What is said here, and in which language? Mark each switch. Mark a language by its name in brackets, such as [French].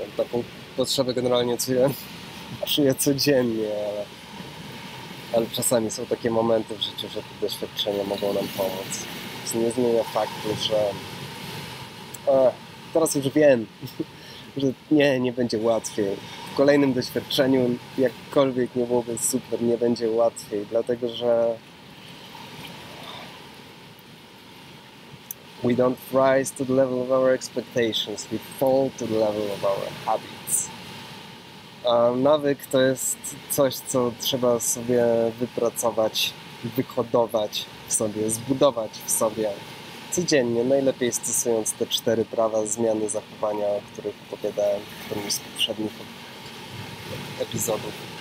[Polish] Taką potrzebę generalnie czuję codziennie, ale czasami są takie momenty w życiu, że te doświadczenia mogą nam pomóc. To nie zmienia faktu, że teraz już wiem, że nie będzie łatwiej. W kolejnym doświadczeniu, jakkolwiek nie byłoby super, nie będzie łatwiej, dlatego że [English] We don't rise to the level of our expectations, we fall to the level of our habits. [Polish] A nawyk to jest coś, co trzeba sobie wypracować, wyhodować w sobie, zbudować w sobie codziennie, najlepiej stosując te cztery prawa zmiany zachowania, o których opowiadałem w którymś z poprzednich epizodów.